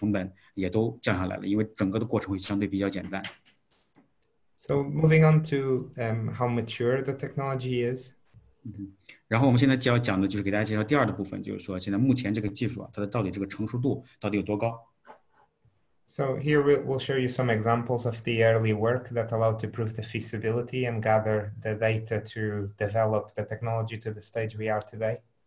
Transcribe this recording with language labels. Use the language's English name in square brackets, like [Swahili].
[Chinese] 然后的话，刚才也提到了，整体上的话，就是说，把这个流道或者空腔集成在一些这个零件本身或者产品本身上面的话，你整个的话，整个这个设计，整个这个设备会简单了很多，这个产品这个本身会简单了很多。这样的话，同时也带来就是你这个产品本身在服役期间的这个使用啊、设置啊，或者是一些后期的维修啊、或者是维护啊，其实整个成本也都降下来了，因为整个的过程会相对比较简单。 [English] So moving on to how mature the technology is. [Chinese] 然后我们现在就要讲的就是给大家介绍第二的部分，就是说现在目前这个技术啊，它的到底这个成熟度到底有多高？ [English] So here we'll show you some examples of the early work that allowed to prove the feasibility and gather the data to develop the technology to the stage we are today.